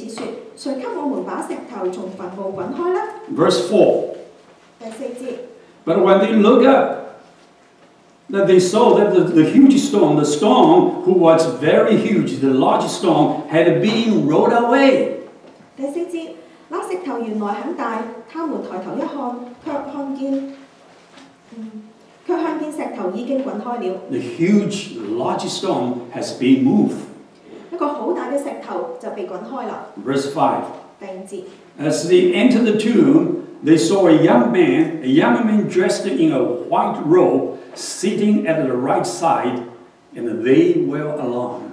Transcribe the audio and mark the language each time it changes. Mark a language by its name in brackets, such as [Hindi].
[Chinese] 第二节，七日的第一早，第一日清早，太出太阳的时候，他们来到坟墓那里，彼此说，谁给我们把石头从坟墓滚开呢？ [English] Verse 4. [Chinese] 第四节, [English] but when they look up, that they saw that the huge stone, the stone who was very huge, the large stone, had been rolled away. [Chinese] 第四节，那石头原来很大，他们抬头一看，却看见石头已经滚开了。 [English] The huge, large stone has been moved. [Chinese] 一个好大的石头就被滚开了。 [English] Verse 5. [Chinese] 第五节, [English] as they entered the tomb, they saw a young man dressed in a white robe, sitting at the right side, and they were alarmed.